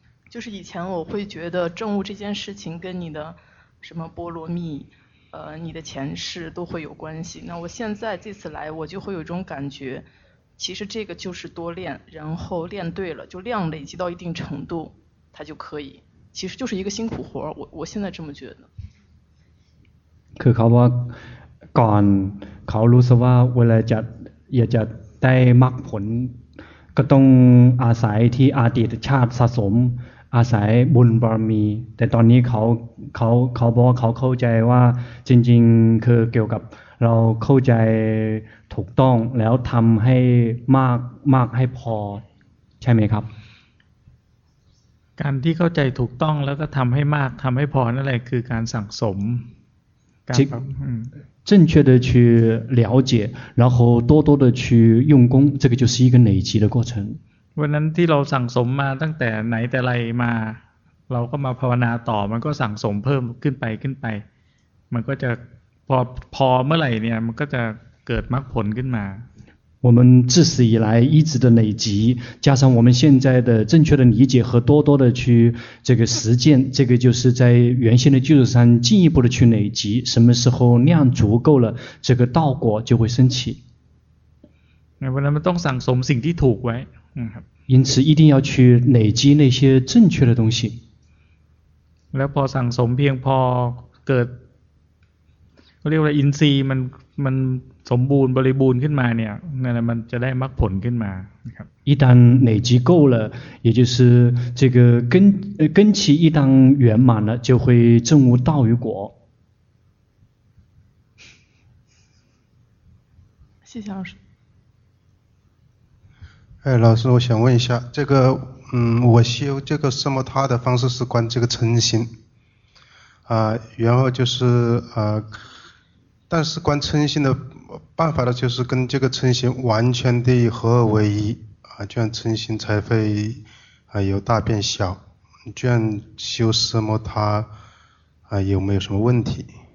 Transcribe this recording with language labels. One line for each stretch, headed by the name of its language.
Chinese: 就是以前我会觉得证悟这件事情跟你的什么波罗蜜你的前世都会有关系那我现在这次来我就会有一种感觉其实这个就是多练然后练对了就量累积到一定程度它就可以其实就是一个辛苦活我现在这么觉得
Thai: คือเขาว่าก่อนเขารู้สึกว่าเวลาจะอยากจะได้มรรคผลก็ต้องอาศัยที่อดีตชาติสะสมอาศัยบุญบารมีแต่ตอนนี้เขาบอกเขาเข้าใจว่าจริงๆคือเกี่ยวกับเราเข้าใจถูกต้องแล้วทำให้มากมากให้พอใช่ไหมครับ การที่เข้าใจถูกต้องแล้วก็ทำให้มากทำให้พอนั่นแหละคือการสั่งสม
Chinese: การ正确的去了解然后多多的去用功这个就是一个累积的过程
Thai: วันนั้นที่เราสั่งสมมาตั้งแต่ไหนแต่ไรมาเราก็มาภาวนาต่อมันก็สั่งสมเพิ่มขึ้นไปมันก็จะพอเมื่อไหร่เนี่ยมันก็จะเกิดมรรคผลขึ้นมา
Chinese: 我们自始以来一直的累积加上我们现在的正确的理解和多多的去这个实践这个就是在原先的基础上进一步的去累积什么时候量足够了这个道果就会升起因为他们都
Thai: สั่งสมสิ่งที่ถูกไว้
Chinese: 因此一定要去累积那些正确的东西
Thai: แล้วพอสั่งสมเพียงพอเกิดเรียกว่าอินทรีย์มันสมบูรณ์บริบูรณ์ขึ้นมาเนี่ยนั่นแหละมันจะได้มรรคผลขึ้นมาครับ
Chinese: 一旦累积够了也就是这个根基一旦圆满了就会证悟道与果谢谢老师哎，老师，我想问一下，这个，我修这个什么他的方式是观这个嗔心，然后就是但是观嗔心的办法呢，就是跟这个嗔心完全的合二为一啊，这样嗔心才会由大变小，这样修什么他有没有什么问题？